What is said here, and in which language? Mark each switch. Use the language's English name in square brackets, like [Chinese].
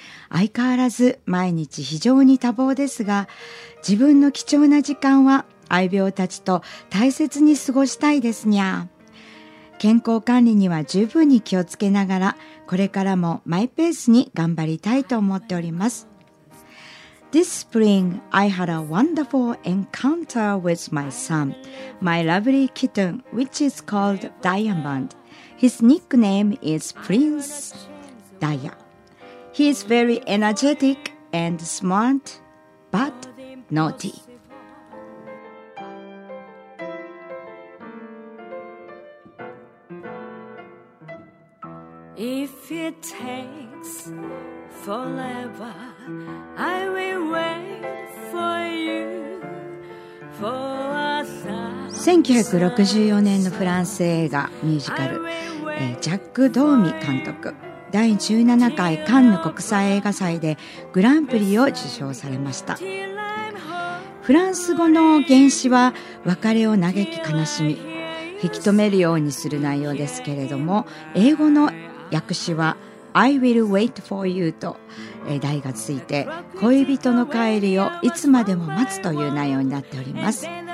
[Japanese] 相変わらず毎日非常に多忙ですが、自分の貴重な時間は愛病たちと大切に過ごしたいですにゃ。健康管理には十分に気をつけながら、これからもマイペースに頑張りたいと思っております。 [English] This spring, I had a wonderful encounter with my son, my lovely kitten, which is called Diamond. His nickname is Prince Daya. He is very energetic and smart, but naughty. If it takes forever, I will wait for you for a thousand. [Japanese] 1964年のフランス映画ミュージカル、ジャック・ドーミ監督、第17回カンヌ国際映画祭でグランプリを受賞されました。フランス語の原詞は別れを嘆き悲しみ、引き止めるようにする内容ですけれども、英語の訳詞は [English] I will wait for you [Japanese] と題がついて、恋人の帰りをいつまでも待つという内容になっております。